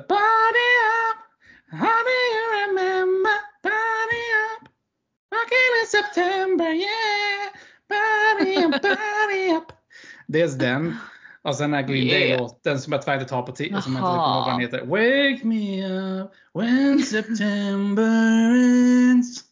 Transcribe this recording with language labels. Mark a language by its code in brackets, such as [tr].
[en] Party up, how do you remember? Party up, back in September, yeah. Party up, party up. [sv] Dels den. Och sen den här Green Day-låten som jag tyvärr inte tar på tid. Som jag inte kommer ihåg vad den heter. [en] Wake me up when September ends.